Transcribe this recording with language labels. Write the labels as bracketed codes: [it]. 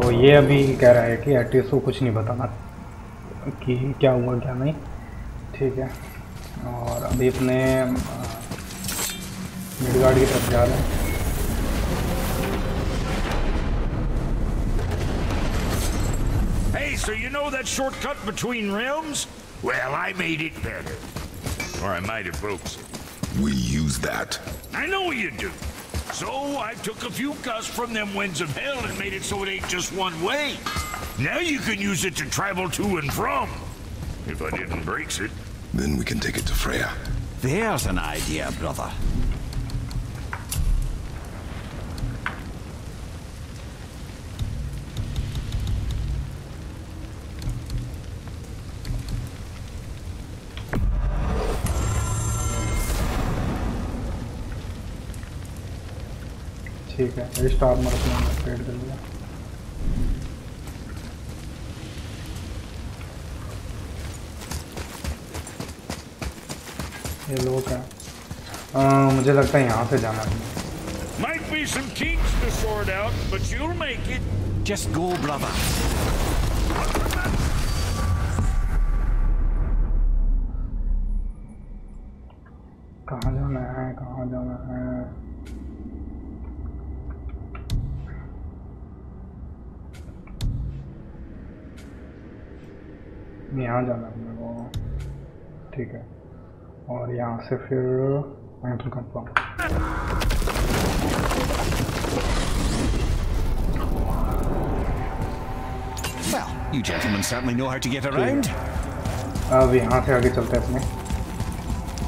[hi] तो ये अभी कह रहा है कि एटीएस को कुछ नहीं बताना कि क्या हुआ क्या नहीं, ठीक है। और अभी अपने मिडगार्ड की तरफ जा रहे हैं। [en] Hey, so you know that shortcut between realms? Well, I made it better. Or I might have broke it. We use that. I know you do. So I took a few cusps from them winds of hell and made it so it ain't just one way. Now you can use it to travel to and from. If I didn't break it. Then we can take it to Freya. There's an idea, brother. [hi] ठीक है, इस टार mark में upgrade कर लिया। ये लोग हैं, मुझे लगता है यहाँ से जाना है। [en] Might be some kinks to sort out, but you'll make it. Just go, brother. [hi] कहाँ जाना है? कहाँ जाना है? यहाँ जाना है मेरे को, ठीक है। और यहाँ से फिर entry confirm. [en] Well, you gentlemen certainly know how to get around. [hi] अब यहाँ से आगे चलते हैं अपने।